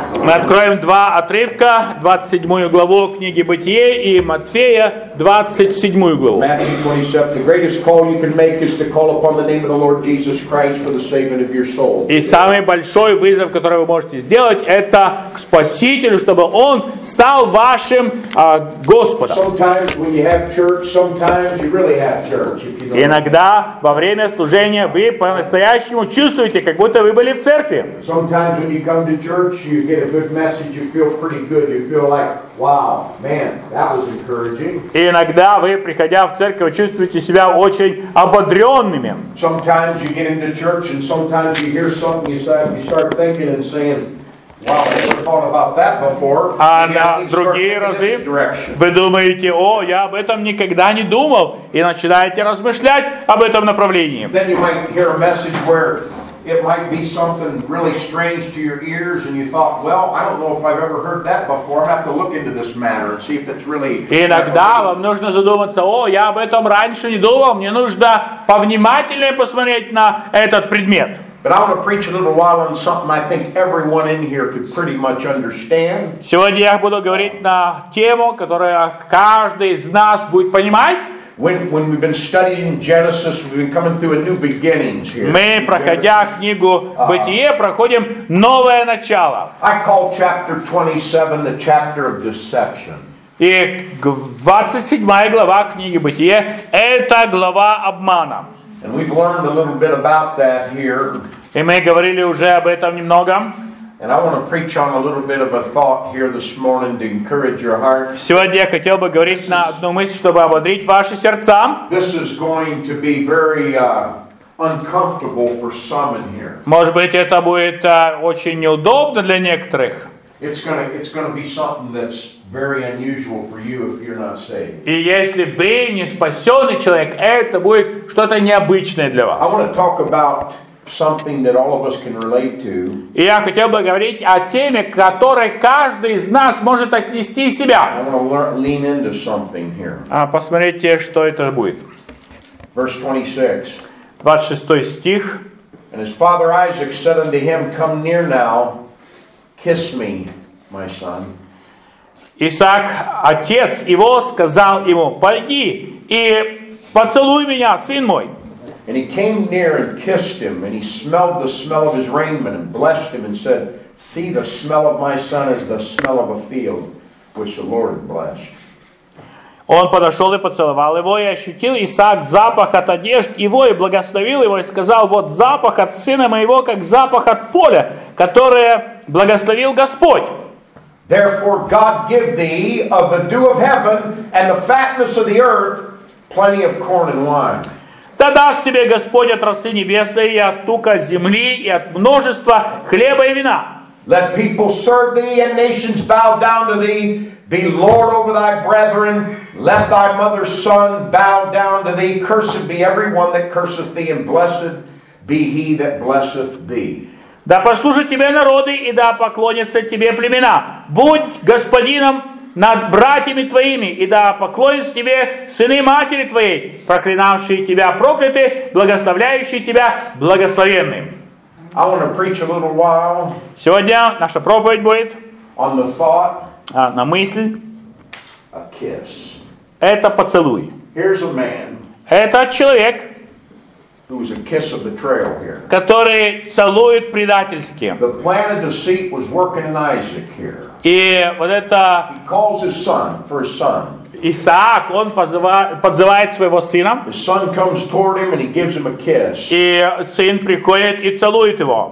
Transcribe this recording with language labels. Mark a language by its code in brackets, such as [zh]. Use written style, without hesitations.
[ru] Мы откроем два отрывка, 27 главу книги Бытие и Матфея, 27 главу. [en] Matthew 27, the greatest call you can make is to call upon the name of the Lord Jesus Christ for the saving of your soul. [ru] И самый большой вызов, который вы можете сделать, это к Спасителю, чтобы Он стал вашим Господом. [en] Sometimes when you have church, sometimes you really have church. [ru] Иногда во время служения вы по-настоящему чувствуете, как будто вы были в церкви. [en] Sometimes when you come to church, you get a good message, you feel pretty good, you feel like, wow, man, that was encouraging. [ru] И иногда вы, приходя в церковь, чувствуете себя очень ободренными. [en] Sometimes you get into church and sometimes you hear something, you start thinking and saying, wow, about that before. [ru] А на другие разы вы думаете, о, я об этом никогда не думал, и начинаете размышлять об этом направлении. [en] Then you might hear a message where it might be something really strange to your ears, and you thought, well, I don't know if I've ever heard that before. I have to look into this matter and see if it's really. [ru] Иногда вам нужно задуматься, о, я об этом раньше не думал, мне нужно повнимательнее посмотреть на этот предмет. [en] But I want to preach a little while on something I think everyone in here could pretty much understand. [ru] Сегодня я буду говорить на тему, которую каждый из нас будет понимать. [en] When we've been studying Genesis, we've been coming through a new beginning here. [ru] Мы, проходя книгу Бытие, проходим новое начало. [en] I call chapter 27 the chapter of deception. [ru] И 27 глава книги Бытие – это глава обмана. [en] And we've learned a little bit about that here. [ru] И мы говорили уже об этом немного. [en] And I want to preach on a little bit of a thought here this morning to encourage your heart. [ru] Сегодня я хотел бы говорить на одну мысль, чтобы ободрить ваши сердца. [en] This is going to be very uncomfortable for some in here. [ru] Может быть, это будет очень неудобно для некоторых. [en] It's going to be something that's very unusual for you if you're not saved. [ru] И если вы не спасенный человек, это будет что-то необычное для вас. [en] I want to talk about something that all of us can relate to. [ru] И я хотел бы говорить о теме, к которой каждый из нас может отнести себя. [en] I want to lean into something here. [ru] Посмотрите, что это будет. [en] Verse 26. [ru] 26 стих. [en] And his father Isaac said unto him, come near now. Kiss me, my son. [ru] Исаак, отец его, сказал ему, пойди и поцелуй меня, сын мой. [en] And he came near and kissed him, and he smelled the smell of his raiment, and blessed him, and said, see, the smell of my son is the smell of a field which the Lord blessed. [ru] Он подошел и поцеловал его, и ощутил Исаак запах от одежд его, и благословил его, и сказал, вот запах от сына моего, как запах от поля, которое благословил Господь. [en] Therefore God give thee of the dew of heaven and the fatness of the earth plenty of corn and wine. [ru] Да даст тебе Господь от росы небесной и от тука земли и от множества хлеба и вина. [en] Let people serve thee and nations bow down to thee. Be Lord over thy brethren. Let thy mother's son bow down to thee. Cursed be everyone that curseth thee, and blessed be he that blesseth thee. [ru] Да послужат тебе народы и да поклонятся тебе племена. Будь господином над братьями твоими и да поклонятся тебе сыны матери твоей, проклинавшие тебя прокляты, благословляющие тебя благословенны. [en] I want to preach a little while. [ru] Сегодня наша проповедь будет [en] on the thought. [ru] На мысль. [en] A kiss. [ru] Это поцелуй. [en] Here's a man. [ru] Это человек. [en] Who was a kiss of betrayal here? [ru] Который целует предательски. [en] The plan of deceit was working in Isaac here. [ru] И вот это. [en] He calls his son for his son. [ru] Исаак, он подзывает своего сына. [en] His son comes toward him and he gives him a kiss. [ru] И сын приходит и целует его.